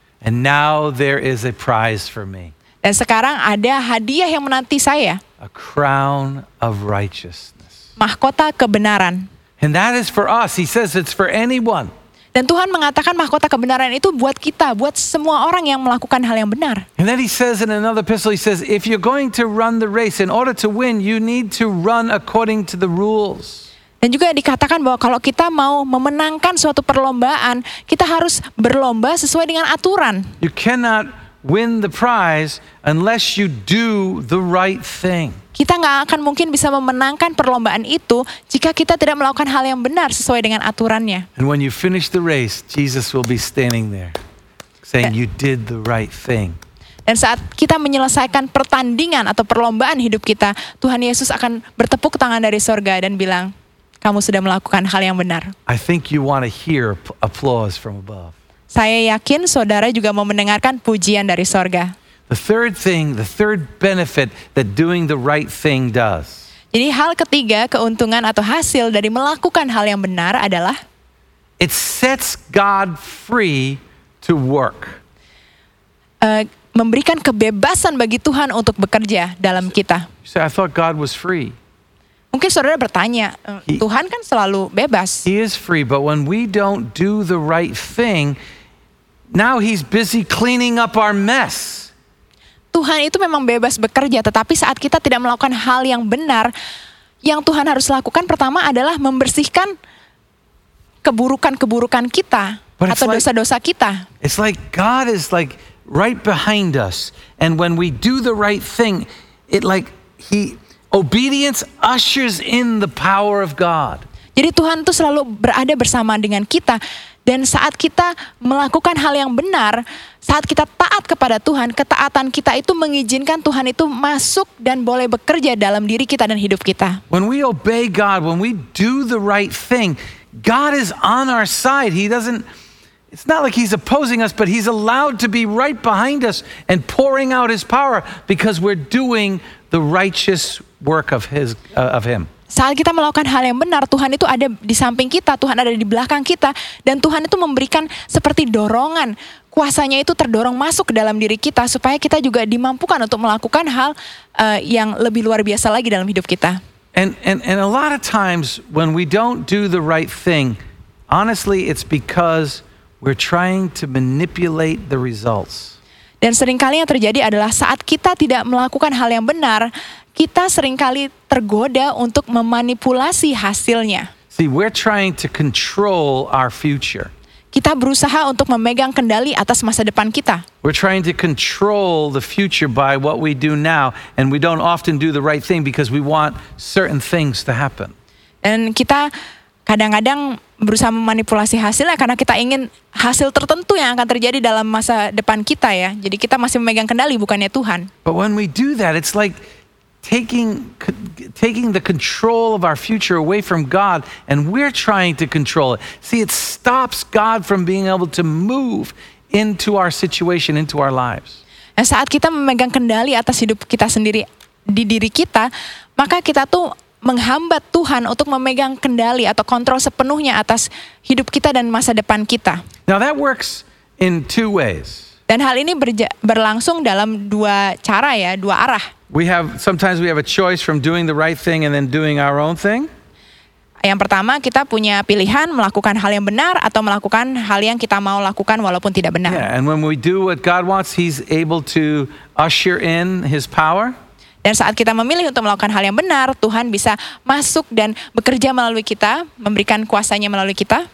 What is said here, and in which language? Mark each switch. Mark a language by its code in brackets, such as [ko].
[en] And now there is a prize for me. [id] Dan sekarang ada hadiah yang menanti saya. [en] A crown of righteousness. [id] Mahkota kebenaran. [en] And that is for us. He says it's for anyone. [id] Dan Tuhan mengatakan mahkota kebenaran itu buat kita, buat semua orang yang melakukan hal yang benar. [en] And then he says in another epistle, he says, if you're going to run the race, in order to win, you need to run according to the rules. [id] Dan juga dikatakan bahwa kalau kita mau memenangkan suatu perlombaan, kita harus berlomba sesuai dengan aturan. [en] You cannot win the prize unless you do the right thing. [id] Kita nggak akan mungkin bisa memenangkan perlombaan itu jika kita tidak melakukan hal yang benar sesuai dengan aturannya. [en] And when you finish the race, Jesus will be standing there, saying you did the right thing. [id] Dan saat kita menyelesaikan pertandingan atau perlombaan hidup kita, Tuhan Yesus akan bertepuk tangan dari sorga dan bilang, kamu sudah melakukan hal yang benar. [en] I think you want to hear applause from above. [id] Saya yakin saudara juga mau mendengarkan pujian dari sorga. [en] The third thing, the third benefit that doing the right thing does. [id] Jadi hal ketiga, keuntungan atau hasil dari melakukan hal yang benar adalah [en] it sets God free to work. [id] Memberikan kebebasan bagi Tuhan untuk bekerja dalam kita. [en] So I thought God was free. [id] Mungkin saudara bertanya, Tuhan kan selalu bebas. [en] He is free, but when we don't do the right thing, now he's busy cleaning up our mess. [id] Tuhan itu memang bebas bekerja, tetapi saat kita tidak melakukan hal yang benar, yang Tuhan harus lakukan pertama adalah membersihkan keburukan-keburukan kita atau dosa-dosa kita. [en] It's like God is like right behind us, and when we do the right thing, it like he obedience ushers in the power of God. [id] Jadi Tuhan itu selalu berada bersama dengan kita, Dan saat kita melakukan hal yang benar, saat kita taat kepada Tuhan, ketaatan kita itu mengizinkan Tuhan itu masuk dan boleh bekerja dalam diri kita dan hidup kita. [en] When we obey God, when we do the right thing, God is on our side. He doesn't, it's not like he's opposing us, but he's allowed to be right behind us and pouring out his power because we're doing the righteous work of his, of him. [id] Saat kita melakukan hal yang benar, Tuhan itu ada di samping kita, Tuhan ada di belakang kita, dan Tuhan itu memberikan seperti dorongan, kuasanya itu terdorong masuk ke dalam diri kita supaya kita juga dimampukan untuk melakukan hal yang lebih luar biasa lagi dalam hidup kita. [en] And a lot of times when we don't do the right thing, honestly, it's because we're trying to manipulate the results. [id] Dan seringkali yang terjadi adalah saat kita tidak melakukan hal yang benar, kita seringkali tergoda untuk memanipulasi hasilnya. [en] See, we're trying to control our future. [id] Kita berusaha untuk memegang kendali atas masa depan kita. [en] We're trying to control the future by what we do now, and we don't often do the right thing because we want certain things to happen. [id] Dan kita kadang-kadang berusaha memanipulasi hasilnya karena kita ingin hasil tertentu yang akan terjadi dalam masa depan kita ya. Jadi kita masih memegang kendali, bukannya Tuhan. [en] But when we do that, it's like taking the control of our future away from God, and we're trying to control it. See, it stops God from being able to move into our situation, into our lives. [id] Dan saat kita memegang kendali atas hidup kita sendiri di diri kita, maka kita tuh menghambat Tuhan untuk memegang kendali atau kontrol sepenuhnya atas hidup kita dan masa depan kita. [en] Now that works in two ways. [id] Dan hal ini berlangsung dalam dua cara ya, dua arah. [en] Sometimes we have a choice from doing the right thing and then doing our own thing. [id] Yang pertama, kita punya pilihan melakukan hal yang benar atau melakukan hal yang kita mau lakukan walaupun tidak benar. [en] Yeah, and when we do what God wants, he's able to usher in his power. [id] Dan saat kita memilih untuk melakukan hal yang benar, Tuhan bisa masuk dan bekerja melalui kita, memberikan kuasanya melalui kita.